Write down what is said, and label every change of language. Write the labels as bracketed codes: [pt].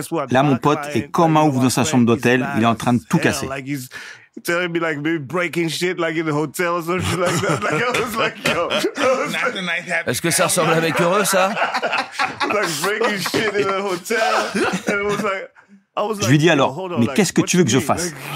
[fr] Là, mon pote est comme un ouf dans sa chambre d'hôtel. Il est en train de tout casser. [en] Telling me like maybe breaking shit like in the hotel or something like that. Like I was like, yo. [fr] Est-ce que ça ressemble avec heureux ça? [en] Like breaking shit in the hotel. And it was like. [fr] Je lui dis alors, mais qu'est-ce que tu veux que je fasse?